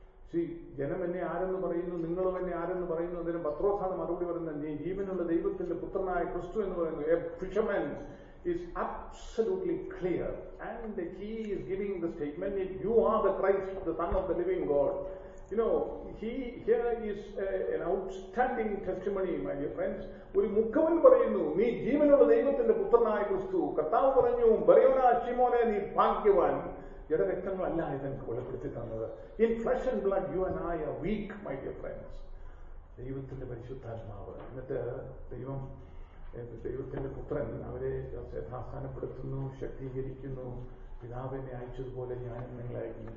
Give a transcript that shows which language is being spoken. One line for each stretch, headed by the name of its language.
Malayalam: ശ്രീ ജനം എന്നെ ആരെന്ന് പറയുന്നു, നിങ്ങളും എന്നെ ആരെന്ന് പറയുന്നു, അതിന് പത്രോസാണ് മറുപടി പറയുന്നത്, നീ ജീവനുള്ള ദൈവത്തിന്റെ പുത്രനായ ക്രിസ്തു എന്ന് പറയുന്നു.
English: A fisherman is absolutely clear and he is giving the statement it you are the Christ the son of the living God. You know, he here is an outstanding testimony, my dear friends.
Malayalam: ഒരു മുഖവൻ പറയുന്നു, നീ ജീവനുള്ള ദൈവത്തിന്റെ പുത്രനായ ക്രിസ്തു. കർത്താവ് പറഞ്ഞു, ബറിയോന ശിമോനെ നീ ഭാഗ്യവാൻ, ജഡരക്തങ്ങളല്ല ഇതെനിക്ക് വെളിപ്പെടുത്തി തന്നത്.
English: In flesh and blood you and I are weak, my dear friends.
Malayalam: ദൈവത്തിന്റെ പരിശുദ്ധാത്മാവ്, എന്നിട്ട് ദൈവം, ദൈവത്തിന്റെ പുത്രൻ അവരെ യഥാസ്ഥാനപ്പെടുത്തുന്നു, ശക്തീകരിക്കുന്നു, പിതാവിനെ അയച്ചതുപോലെ ഞാനും നിങ്ങളായിരിക്കുന്നു.